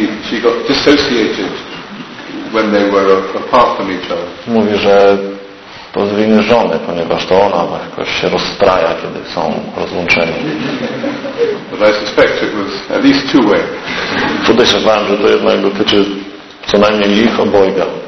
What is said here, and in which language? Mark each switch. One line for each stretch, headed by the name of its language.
English: She got dissociated when they were apart from each other.
Polish: Mówi, że to z winy żony, ponieważ to ona jakoś się rozstraja, kiedy są rozłączeni.
English: But I suspect it was at least two way.
Polish: Podejrzewałem, że to jednak dotyczy co najmniej ich obojga.